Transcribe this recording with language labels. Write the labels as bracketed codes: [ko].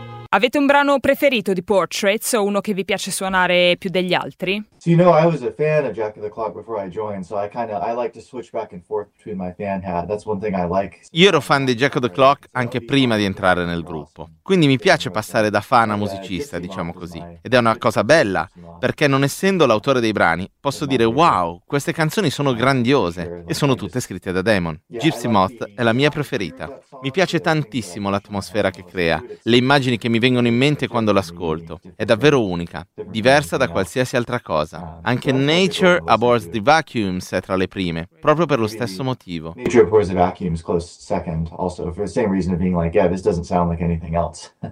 [it] Avete un brano preferito di Portraits o uno che vi piace suonare più degli altri? [en] So, you know, I was a fan of Jack of the Clock before I joined, so I like to switch back and forth between my fan hat. That's one thing I like. [it] Io ero fan di Jack of the Clock anche prima di entrare nel gruppo. Quindi mi piace passare da fan a musicista, diciamo così. Ed è una cosa bella, perché non essendo l'autore dei brani, posso dire wow, queste canzoni sono grandiose e sono tutte scritte da Damon. Gypsy Moth è la mia preferita. Mi piace tantissimo l'atmosfera che crea, le immagini che mi vengono in mente quando l'ascolto. È davvero unica, diversa da qualsiasi altra cosa. Anche Nature Abhors the Vacuums è tra le prime, proprio per lo stesso motivo. [en] Nature Abhors the Vacuums close second also for the same reason of being like, yeah, this doesn't sound like anything else.